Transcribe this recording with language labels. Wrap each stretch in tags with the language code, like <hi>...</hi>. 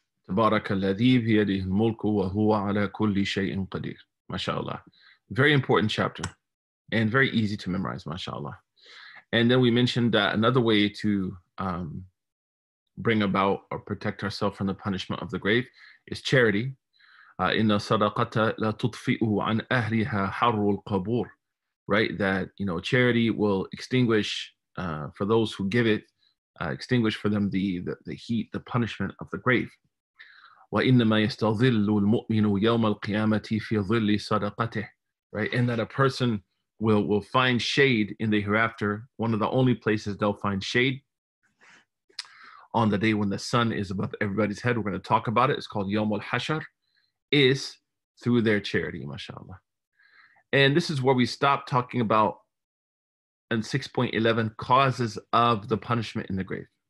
<ar>تبارك الذي بيده الملك وهو على كل شيء قدير.</ar> <en>MashaAllah. Very important chapter and very easy to memorize, MashaAllah. And then we mentioned that another way to bring about or protect ourselves from the punishment of the grave is charity.</en> <ar>إن صدقة لا تطفئ عن أهلها حر القبور.</ar> <en>Right? That, you know, charity will extinguish for those who give it, extinguish for them the heat, the punishment of the grave.</en> <ar>وإنما يستظل المؤمن يوم القيامة في ظل صدقته.</ar> <en>Right? And that a person will find shade in the hereafter, one of the only places they'll find shade, on the day when the sun is above everybody's head. We're going to talk about it. It's called Yawm al-Hashar, is through their charity, mashallah. And this is where we stop talking about in 6.11 causes of the punishment in the grave.</en>